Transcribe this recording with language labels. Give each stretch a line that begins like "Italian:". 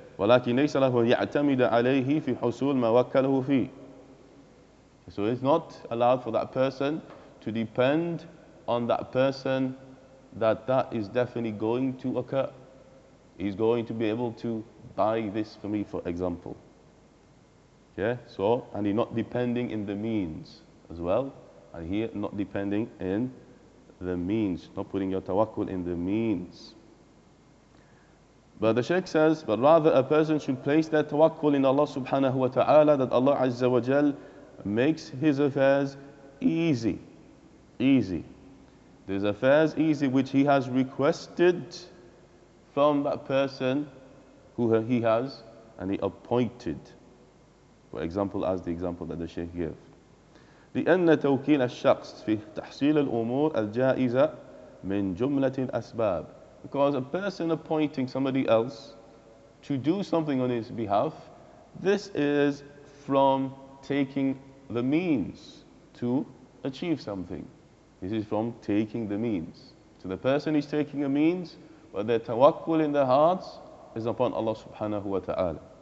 Arabic: ولكن ليس له أن يعتمد عليه في حصول ما وكله فيه.
English: So it's not allowed for that person to depend on that person that is definitely going to occur. He's going to be able to buy this for me, for example. Yeah, so, and he's not depending in the means as well. And here, not depending in the means, not putting your tawakkul in the means. But the Shaykh says, but rather a person should place their tawakkul in Allah subhanahu wa ta'ala, that Allah azza wa jal makes his affairs easy. Easy. There's affairs easy which he has requested from that person who he has and he appointed. For example, as the example that the Shaykh gave.
Arabic: لأن توكيل الشخص في تحصيل الأمور الجائزة من جملة الأسباب.
English: Because a person appointing somebody else to do something on his behalf, this is from taking the means to achieve something. This is from taking the means. So the person is taking a means, but their tawakkul in their hearts is upon Allah subhanahu wa ta'ala.